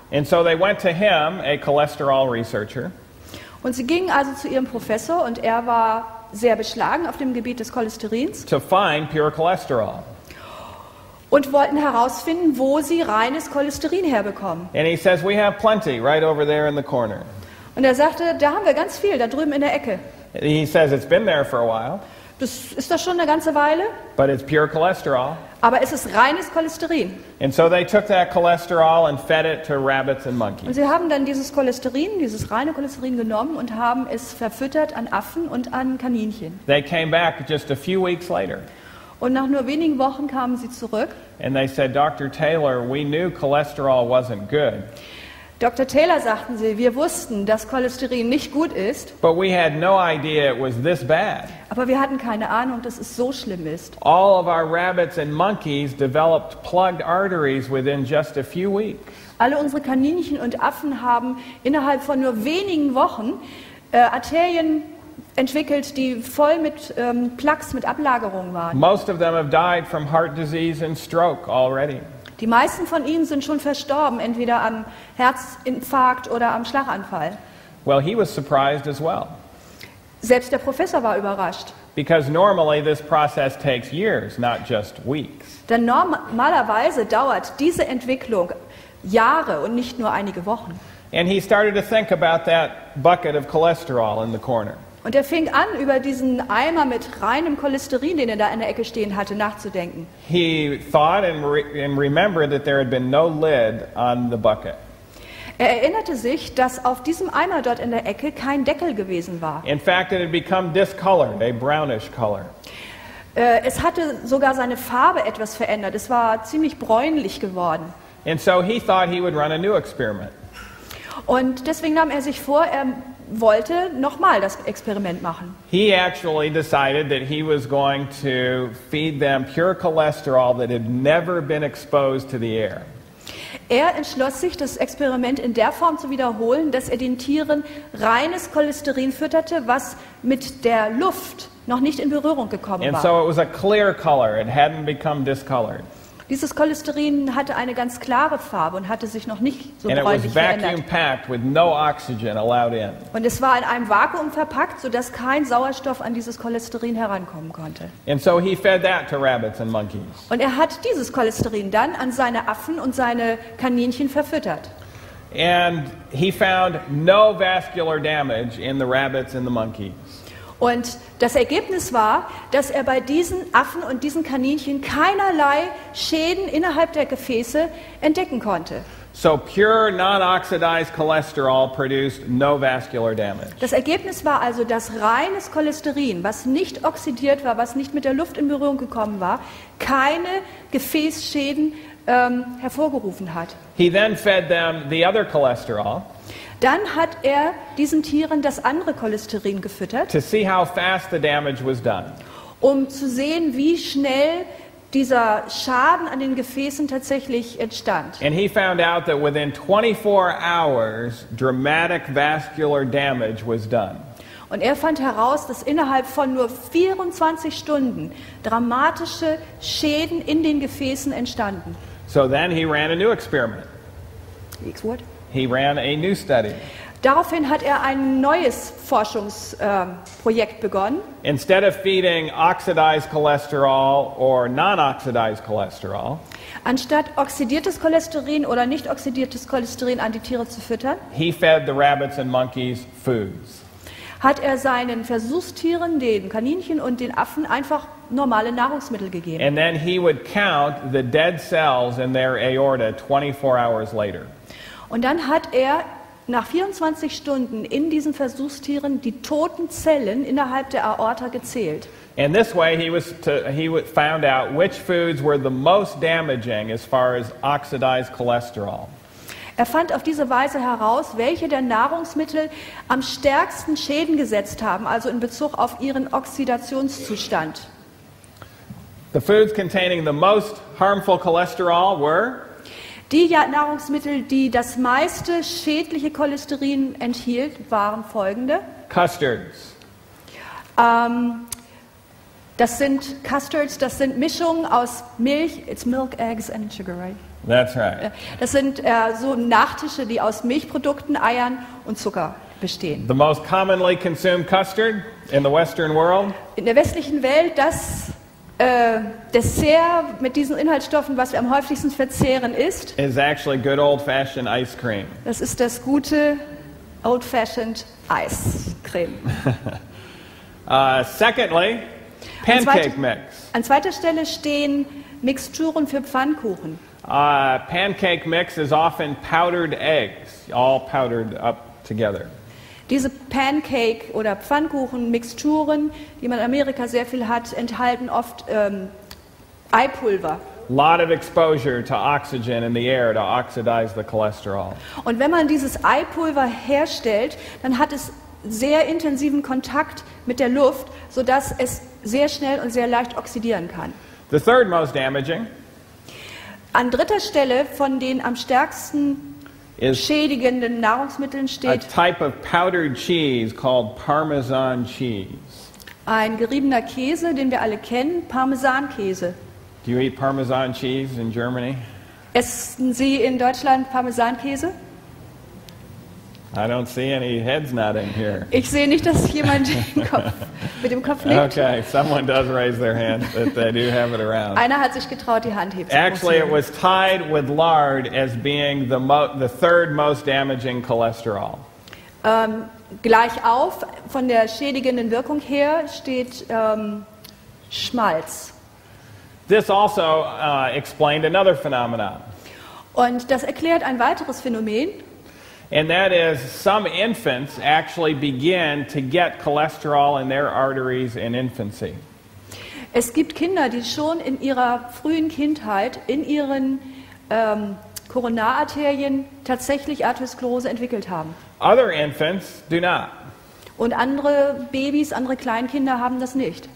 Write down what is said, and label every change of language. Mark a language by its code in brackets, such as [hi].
[en] And so they went to him, a cholesterol researcher. [de] Und sie gingen also zu ihrem Professor und er war sehr beschlagen auf dem Gebiet des Cholesterins. [en] To find pure cholesterol. [de] Und wollten herausfinden, wo sie reines Cholesterin herbekommen. [en] And he says, we have plenty right over there in the corner. [de] Und er sagte, da haben wir ganz viel, da drüben in der Ecke. [en] He says, it's been there for a while. [de] Das ist doch schon eine ganze Weile. [en] But it's pure cholesterol. [de] Aber es ist reines Cholesterin. [en] And so they took that cholesterol and fed it to rabbits and monkeys. [de] Und sie haben dann dieses Cholesterin, dieses reine Cholesterin genommen und haben es verfüttert an Affen und an Kaninchen. [en] They came back just a few weeks later. [de] Und nach nur wenigen Wochen kamen sie zurück. [en] And they said, Dr. Taylor, we knew cholesterol wasn't good. [de] Dr. Taylor, sagten sie, wir wussten, dass Cholesterin nicht gut ist. [en] But we had no idea it was this bad. [de] Aber wir hatten keine Ahnung, dass es so schlimm ist. [en] All of our rabbits and monkeys developed plugged arteries within just a few weeks. [de] Alle unsere Kaninchen und Affen haben innerhalb von nur wenigen Wochen Arterien entwickelt, die voll mit Plugs, mit Ablagerungen waren. [en] Most of them have died from heart disease and stroke already. [de] Die meisten von ihnen sind schon verstorben, entweder am Herzinfarkt oder am Schlaganfall. [en] Well, he was surprised as well. [de] Selbst der Professor war überrascht. [en] Because normally this process takes years, not just weeks. [de] Denn normalerweise dauert diese Entwicklung Jahre und nicht nur einige Wochen. [en] And he started to think about that bucket of cholesterol in the corner. [de] Und er fing an, über diesen Eimer mit reinem Cholesterin, den er da in der Ecke stehen hatte, nachzudenken. [en] He thought and remembered that there had been no lid on the bucket. [de] Er erinnerte sich, dass auf diesem Eimer dort in der Ecke kein Deckel gewesen war. [en] In fact, it had become discolored, a brownish color. [de] Es hatte sogar seine Farbe etwas verändert. Es war ziemlich bräunlich geworden. [en] And so he thought he would run a new experiment. [de] Und deswegen nahm er sich vor, er wollte nochmal das Experiment machen. [en] He actually decided that he was going to feed them pure cholesterol that had never been exposed to the air. [de] Er entschloss sich, das Experiment in der Form zu wiederholen, dass er den Tieren reines Cholesterin fütterte, was mit der Luft noch nicht in Berührung gekommen [en] And [de] war. [en] So it was a clear color. It hadn't become discolored. [de] Dieses Cholesterin hatte eine ganz klare Farbe und hatte sich noch nicht so bräunlich verändert. [en] Vacuum-packed with no oxygen allowed in. [de] Und es war in einem Vakuum verpackt, sodass kein Sauerstoff an dieses Cholesterin herankommen konnte. [en] And so he fed that to rabbits and monkeys. [de] Und er hat dieses Cholesterin dann an seine Affen und seine Kaninchen verfüttert. [en] And he found no vascular damage in the rabbits and the monkeys. [de] Und das Ergebnis war, dass er bei diesen Affen und diesen Kaninchen keinerlei Schäden innerhalb der Gefäße entdecken konnte. [en] So pure non-oxidized cholesterol produced no vascular damage. [de] Das Ergebnis war also, dass reines Cholesterin, was nicht oxidiert war, was nicht mit der Luft in Berührung gekommen war, keine Gefäßschäden hervorgerufen hat. [en] He then fed them the other cholesterol. [de] Dann hat er diesen Tieren das andere Cholesterin gefüttert, [en] to see how fast the damage was done. [de] Um zu sehen, wie schnell dieser Schaden an den Gefäßen tatsächlich entstand. [en] And he found out that within 24 hours, dramatic vascular damage was done. [de] Und er fand heraus, dass innerhalb von nur 24 Stunden dramatische Schäden in den Gefäßen entstanden. [en] So then he ran a new experiment. X-word. He ran a new study. [de] Daraufhin hat er ein neues Forschungsprojekt begonnen. [en] Instead of feeding oxidized cholesterol or non-oxidized cholesterol, [de] anstatt oxidiertes Cholesterin oder nicht oxidiertes Cholesterin an die Tiere zu füttern, [en] he fed the rabbits and monkeys foods. [de] Hat er seinen Versuchstieren, den Kaninchen und den Affen, einfach normale Nahrungsmittel gegeben. [en] And then he would count the dead cells in their aorta 24 hours later. [de] Und dann hat er nach 24 Stunden in diesen Versuchstieren die toten Zellen innerhalb der Aorta gezählt. [en] In this way he found out which foods were the most damaging as far as oxidized cholesterol. [de] Er fand auf diese Weise heraus, welche der Nahrungsmittel am stärksten Schäden gesetzt haben, also in Bezug auf ihren Oxidationszustand. [en] The foods containing the most harmful cholesterol were? [de] Die Nahrungsmittel, die das meiste schädliche Cholesterin enthielt, waren folgende. [en] Custards. [de] Das sind Custards, das sind Mischungen aus Milch, [en] it's milk, eggs and sugar, right? That's right. [de] Das sind so Nachtische, die aus Milchprodukten, Eiern und Zucker bestehen. [en] The most commonly consumed custard in the Western world? [de] In der westlichen Welt, das Dessert mit diesen Inhaltsstoffen, was wir am häufigsten verzehren, ist? [en] Is actually good old-fashioned ice cream. [de] Das ist das gute [en] old-fashioned ice cream. Secondly, pancake mix. [de] An zweiter Stelle stehen Mixturen für Pfannkuchen. [en] Pancake mix is often powdered eggs, all powdered up together. [de] Diese Pancake- oder Pfannkuchen-Mixturen, die man in Amerika sehr viel hat, enthalten oft Eipulver. [en] Lot of exposure to oxygen in the air to oxidize the cholesterol. [de] Und wenn man dieses Eipulver herstellt, dann hat es sehr intensiven Kontakt mit der Luft, sodass es sehr schnell und sehr leicht oxidieren kann. [en] The third most damaging. [de] An dritter Stelle von den am stärksten schädigenden Nahrungsmitteln steht [en] a type of powdered cheese called Parmesan cheese. [de] Ein geriebener Käse, den wir alle kennen, Parmesankäse. [en] Do you eat Parmesan cheese in Germany? [de] Essen Sie in Deutschland Parmesankäse? [en] I don't see any heads nodding here. [de] Ich sehe nicht, dass jemand mit dem Kopf nickt. [en] Okay, someone does raise their hand, but they do have it around. [de] Einer hat sich getraut, die Hand heben. [en] Actually, it was tied with lard as being the third most damaging cholesterol. [de] Gleich auf, von der schädigenden Wirkung her, steht Schmalz. [en] This also explained another phenomenon. [de] Und das erklärt ein weiteres Phänomen. [en] And that is, some infants actually begin to get cholesterol in their arteries in infancy. [de] Es gibt Kinder, die schon in ihrer frühen Kindheit in ihren Koronararterien tatsächlich Atherosklerose entwickelt haben. [en] Other infants do not. [de] Und andere Babys, andere Kleinkinder haben das nicht.